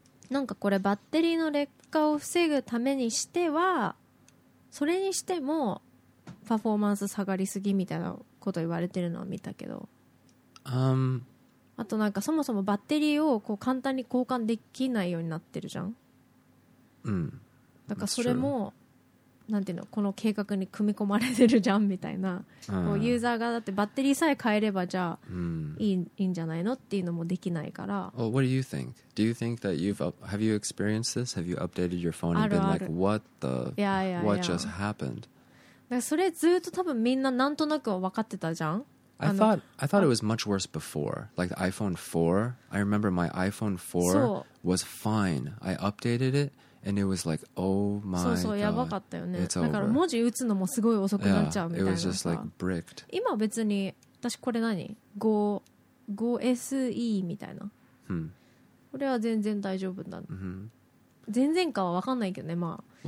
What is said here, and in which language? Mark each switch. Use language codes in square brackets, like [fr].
[ja] なんかこれバッテリーの劣化を防ぐためにしては、それにしてもパフォーマンス下がりすぎみたいなこと言われてるのは見たけど、あとなんかそもそもバッテリーをこう簡単に交換できないようになってるじゃん。うん、だからそれもなんていうの、この計画に組み込まれてるじゃんみたいな、こうユーザーがだってバッテリーさえ変えればじゃあいいんじゃないのっていうのもできないから。 [en] Well, what do you think? Do you think that you've have you experienced this? Have you updated your phone and been like, what the what just happened? [ja] だからそれずっと多分みんななんとなくは分かってたじゃん。 [en] I thought it was much worse before. Like the iPhone 4. I remember my iPhone 4 was fine. I updated it and it was like, oh my god. [ja] そうそう、やばかったよね。だから文字打つのもすごい遅くなっちゃうみたいな。 [en] It was just like bricked. [ja] 今別に、私これ何？5SE みたいな。これは全然大丈夫だ。全然かは分かんないけどね、まあ。